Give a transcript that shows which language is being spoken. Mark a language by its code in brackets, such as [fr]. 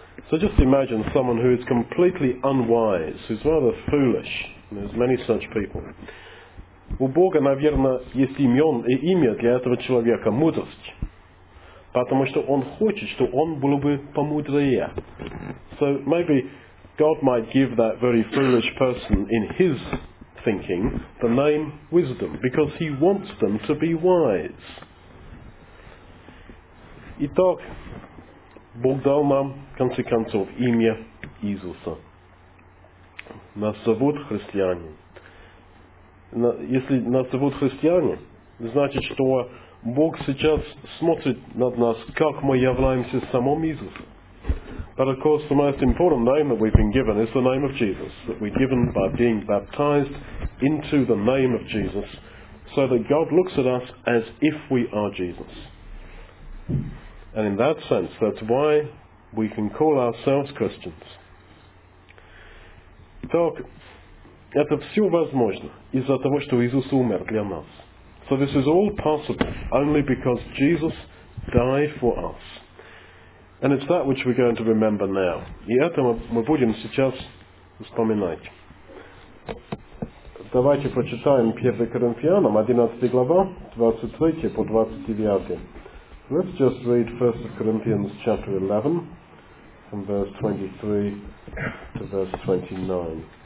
[en] So just imagine someone who is completely unwise, who's rather foolish. There's many such people. [ru] У Бога, наверное, есть имя для этого человека – мудрость. Потому что он хочет, что он был бы помудрее. [en] So maybe God might give that very foolish person in his thinking the name wisdom, because he wants them to be wise. [ru] Итак, Бог дал нам, в конце концов, имя Иисуса. нас зовут христиане. Если нас зовут христиане, значит, что Бог сейчас смотрит над нас, как мы являемся самим Иисусом. [en] But of course, the most important name that we've been given is the name of Jesus, that we're given by being baptized into the name of Jesus, so that God looks at us as if we are Jesus. And in that sense, that's why we can call ourselves Christians. [ru] Итак, это все возможно из-за того, что Иисус умер для нас. [en] So this is all possible only because Jesus died for us. And it's that which we're going to remember now. [ru] И это мы будем сейчас вспоминать. Давайте прочитаем 1 Коринфянам, 11 глава, 23 по 29. [en] Let's just read 1 Corinthians chapter 11, from verse 23 to verse 29.